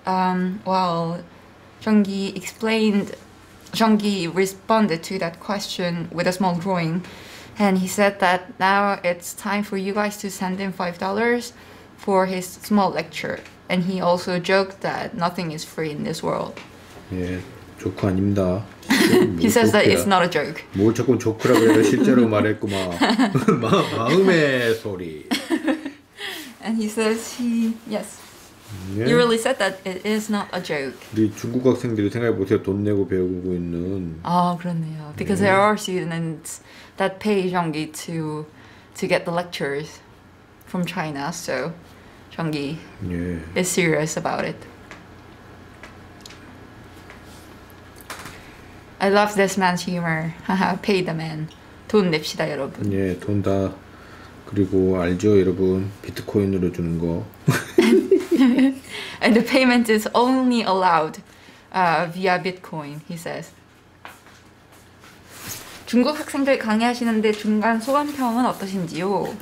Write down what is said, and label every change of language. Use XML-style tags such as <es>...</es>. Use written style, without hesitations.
<en>Well, Jeongi responded to that question with a small drawing. And he said that now it's time for you guys to send in $5 for his small lecture. And he also joked that nothing is free in this world.</en> <ko>예, 조크 아닙니다.</ko> <en>He says that it's not a joke.</en> <ko>뭐 자꾸 조크라고 해요. 실제로 말했고 막 마음의 소리.</ko> <en>And he says he, yes. Yeah. You really said that it is not a joke.</en> <ko>우리 중국 학생들이 생각해 보세요. 돈 내고 배우고 있는. 아, 그렇네요.</ko> <en>Because yeah. there are students that pay Zhonggi to get the lectures from China. So Zhonggi yeah. is serious about it. I love this man's humor. Pay the man.</en> <ko>돈 냅시다, 여러분. 예, 돈 다. 그리고 알죠, 여러분. 비트코인으로 주는 거.</ko> <en>And the payment is only allowed via Bitcoin, he says.</en> <ko>중국 학생들 강의하시는데 중간 소감평은 어떠신지요?</ko>